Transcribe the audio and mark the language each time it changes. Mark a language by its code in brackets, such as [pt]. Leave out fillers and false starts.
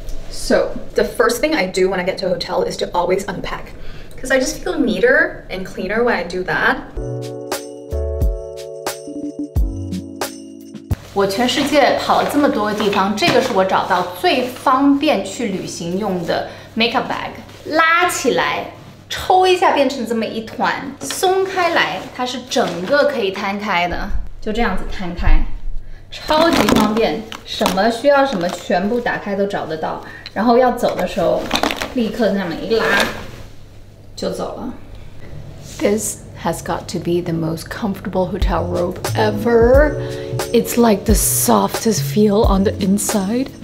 [en] So the first thing I do when I get to a hotel is to always unpack because I just feel neater and cleaner when I do that. [zh] 我全世界跑了这么多地方，这个是我找到最方便去旅行用的 makeup bag， 拉起来抽一下变成这么一团，松开来它是整个可以摊开的，就这样子摊开。超级方便，什么需要什么全部打开都找得到，然后要走的时候立刻那么一拉就走了。 [en] This has got to be the most comfortable hotel robe ever. It's like the softest feel on the inside.